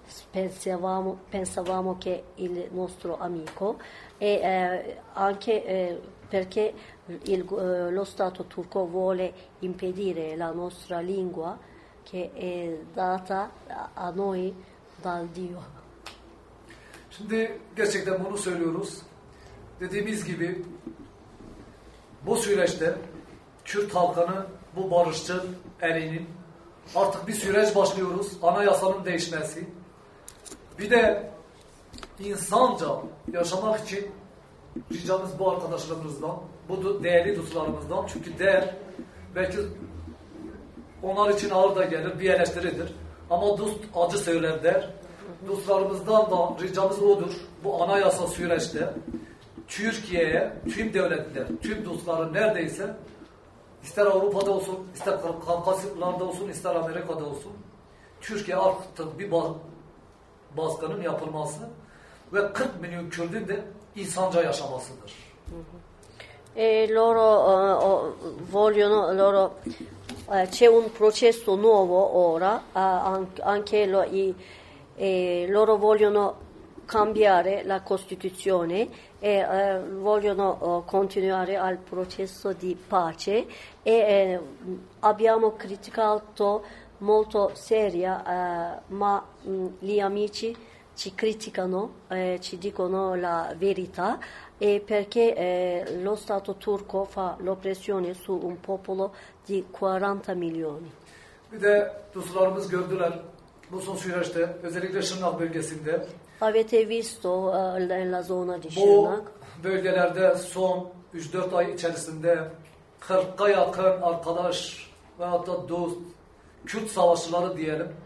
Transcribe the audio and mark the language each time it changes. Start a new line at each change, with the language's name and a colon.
Italian: pensavamo che il nostro amico e anche perché lo Stato turco vuole impedire la nostra lingua che è data a noi dal Dio.
Turkish: Şimdi gerçekten bunu söylüyoruz. Dediğimiz gibi bu süreçte Kürt halkının, bu barışçıl elinin artık bir süreç başlıyoruz. Anayasanın değişmesi. Bir de insanca yaşamak için ricamız bu arkadaşlarımızdan, bu değerli dostlarımızdan. Çünkü değer belki onlar için ağır da gelir, bir eleştiridir. Ama dost acı söyler der. Dostlarımızdan da ricamız odur. Bu anayasa süreçte Türkiye'ye tüm devletler, tüm dostları neredeyse ister Avrupa'da olsun, ister Kafkasya'da olsun, ister Amerika'da olsun Türkiye artık bir baskının yapılması ve 40 milyon Kürt'ün de insanca yaşamasıdır.
Italian: Loro vogliono loro c'è un processo nuovo ora anche lo i loro vogliono cambiare la Costituzione e vogliono continuare al processo di pace e abbiamo criticato molto seria ma gli amici ci criticano, ci dicono la verità e perché lo Stato turco fa l'oppressione su un popolo di 40 milioni.
Turkish: Bir de dostlarımız gördüler bu son süreçte özellikle Şırnak bölgesinde.
Italian: Avete visto la zona di
Turkish: bu bölgelerde son 3-4 ay içerisinde 40'a yakın arkadaş veyahut da dost Kürt savaşçıları diyelim.